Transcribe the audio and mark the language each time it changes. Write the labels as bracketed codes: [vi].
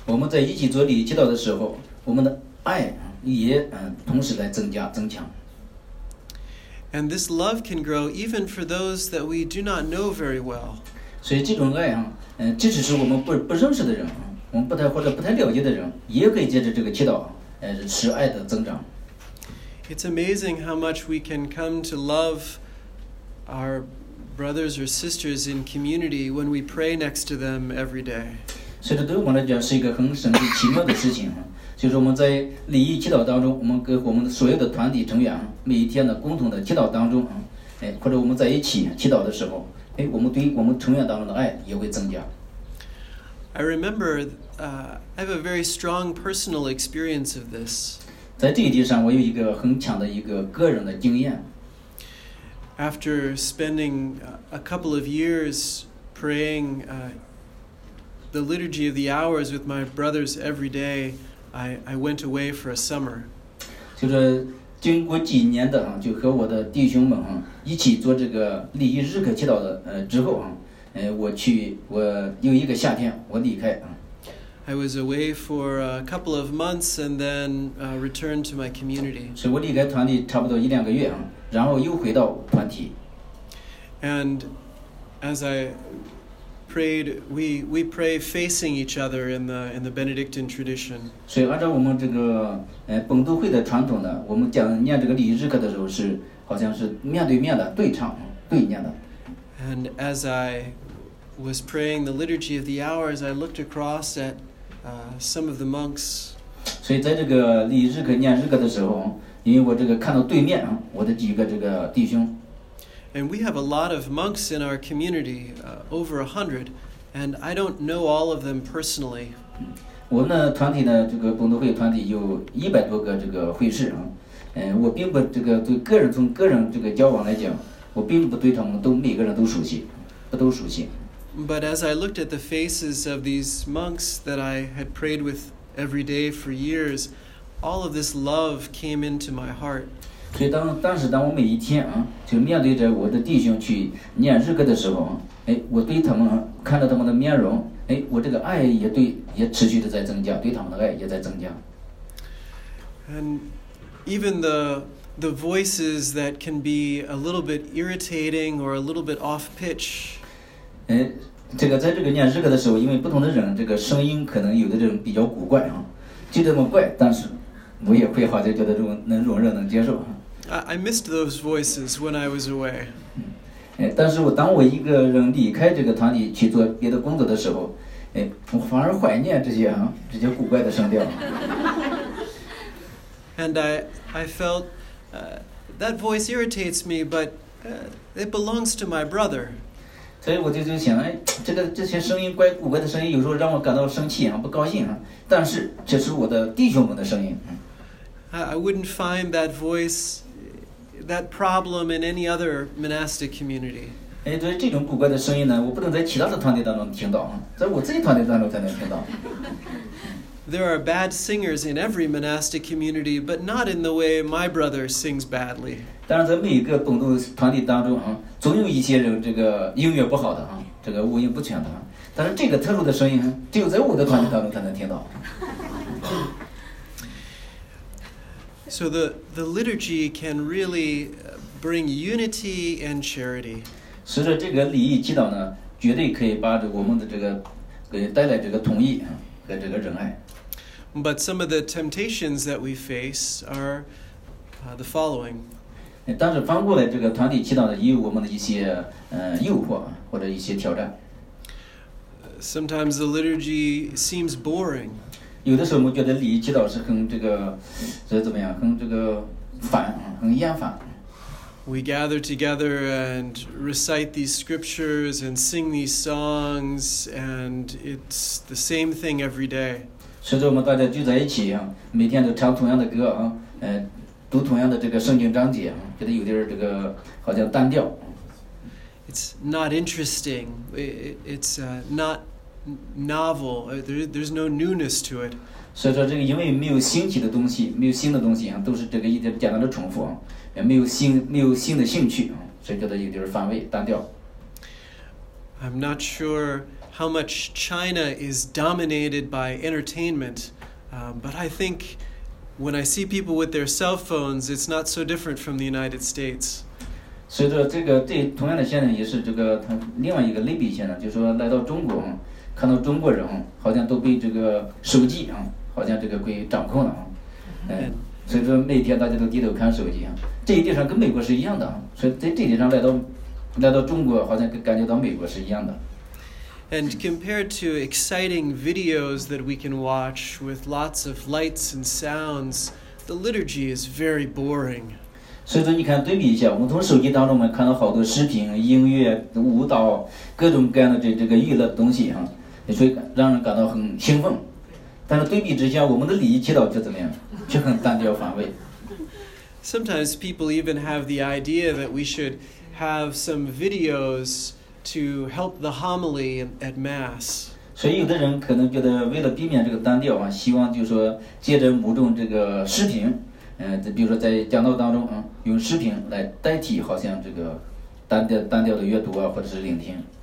[zh] 我们在一起做礼仪祈祷的时候，我们的爱也同时来增强。 [en] And this love can grow even for those that we do not know very well. [zh] 所以这种爱啊，即使是我们不认识的人，我们不太了解的人，也可以借着这个祈祷，使爱的增长。 [en] It's amazing how much we can come to love our brothers or sisters in community when we pray next to them every day. [zh] 所以这对我们来讲是一个很神奇奇妙的事情。就是我们在礼仪祈祷当中，我们跟我们所有的团体成员每一天的共同的祈祷当中，或者我们在一起祈祷的时候，我们对我们成员当中的爱也会增加。 [en] I remember, I have a very strong personal experience of this. [zh] 在这一点上，我有一个很强的一个个人的经验。 [en] After spending a couple of years praying the liturgy of the hours with my brothers every day. I went away for a summer. [zh] 就是经过几年的就和我的弟兄们一起做这个礼仪日课祈祷的之后我有一个夏天我离开。 [en] I was away for a couple of months and then returned to my community. [zh] 所以我离开团体差不多一两个月然后又回到团体。 [en] And as I prayed, we pray facing each other in the Benedictine tradition. [zh] 所以按照我们这个本笃会的传统呢，我们讲念这个礼仪日课的时候是好像是面对面的对唱对念的。 [en] And as I was praying the liturgy of the hours, I looked across at some of the monks. [zh] 所以在这个礼仪日课念日课的时候，因为我这个看到对面我的几个这个弟兄。 [en] And we have a lot of monks in our community, over 100, and I don't know all of them personally. [zh] 我们的团体呢，这个本笃会团体有100多个这个会士我并不这个对个人从个人这个交往来讲，我并不对他们都每个人都熟悉，不都熟悉。 [en] But as I looked at the faces of these monks that I had prayed with every day for years, all of this love came into my heart. [zh] 所以当时当我每一天就面对着我的弟兄去念日课的时候我对他们看到他们的面容我这个爱也持续的在增加对他们的爱也在增加。 [en] And even the voices that can be a little bit irritating or a little bit off pitch. [zh] 这个在这个念日课的时候因为不同的人这个声音可能有的这种比较古怪就这么怪但是我也会好像觉得这种能容忍能接受。 [en] I missed those voices when I was away. [zh] 但是当我一个人离开这个团体去做别的工作的时候，我反而怀念这些古怪的声调。 [en] And I felt that voice irritates me, but it belongs to my brother. [zh] 所以我就想，这些声音怪古怪的声音，有时候让我感到生气不高兴但是这是我的弟兄们的声音。 [en] I wouldn't find that voice. That problem in any other monastic community. [zh] 对这种古怪的声音呢，我不能在其他的团体当中听到，在我自己团体当中才能听到。 [en] There are bad singers in every monastic community, but not in the way my brother sings badly. [zh] 当然，在每一个本笃团体当中总有一些人这个音乐不好的这个五音不全的。但是这个特殊的声音，只有在我的团体当中才能听到。 [en] So the liturgy can really bring unity and charity. [zh] 随着这个礼仪祈祷呢，绝对可以把我们的这个给带来这个统一和这个仁爱。 [en] But some of the temptations that we face are the following. [zh] 但是反过来，这个团体祈祷呢，也有我们的一些诱惑或者一些挑战。 [en] sometimes the liturgy seems boring. [zh] 有的时候我们觉得礼仪祈祷是很这个，这怎么样？很这个烦，很厌烦。 [en] We gather together and recite these scriptures and sing these songs, and it's the same thing every day. [zh] 随着我们大家聚在一起，每天都唱同样的歌，读同样的这个圣经章节，觉得有点这个好像单调。 [en] It's not interesting. It's not novel. There's no newness to it. [zh] 所以说这个因为没有新奇的东西，没有新的东西啊，都是这个一点简单的重复啊，也没有新的兴趣啊，所以觉得有点乏味单调。 [en] I'm not sure how much China is dominated by entertainment, but I think when I see people with their cell phones, it's not so different from the United States. [zh] 随着这个对同样的现象也是这个他另外一个类比现象就是说来到中国看到中国人好像都被这个手机好像这个给掌控了所以说每天大家都低头看手机这一点上跟美国是一样的所以在这一点上来到中国好像感觉到美国是一样的 [en] And compared to exciting videos that we can watch with lots of lights and sounds the liturgy is very boring [zh] 所以说你看对比一下我们从手机当中我们看到好多视频音乐舞蹈各种各样的这个娱乐的东西也会让人感到很兴奋但是对比之下我们的礼仪祈祷就怎么样就很单调乏味 [en] Sometimes people even have the idea that we should have some videos to help the homily at mass [zh] 所以有的人可能觉得为了避免这个单调希望就是说借着某种这个视频比如说在讲道当中用视频来代替好像这个单调的阅读或者是聆听